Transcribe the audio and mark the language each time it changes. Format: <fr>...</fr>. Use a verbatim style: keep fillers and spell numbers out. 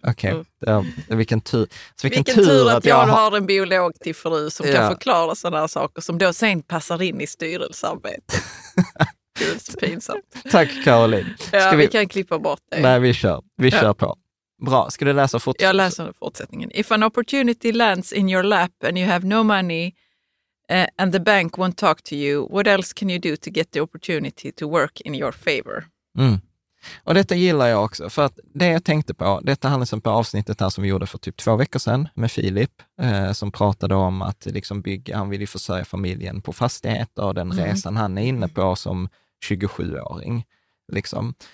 <sv>Okej, okay. ja, vilken tur. Så vilken, vilken tur att, att jag, jag har en biolog till fru som ja. kan förklara sådana här saker som då sen passar in i styrelsearbetet. Det är så pinsamt. Tack Caroline. Ja, vi... vi kan klippa bort det. Nej, vi kör. Vi ja. kör på. Bra, ska du läsa fortsättningen? Jag läser fortsättningen.</sv> <en>If an opportunity lands in your lap and you have no money uh, and the bank won't talk to you, what else can you do to get the opportunity to work in your favor? Mm.</en> <sv>Och detta gillar jag också, för att det jag tänkte på, detta handlar som på avsnittet här som vi gjorde för typ två veckor sedan med Filip, eh, som pratade om att liksom bygga, han vill ju försörja familjen på fastigheter och den mm. resan han är inne på som tjugosjuåring. Liksom.</sv>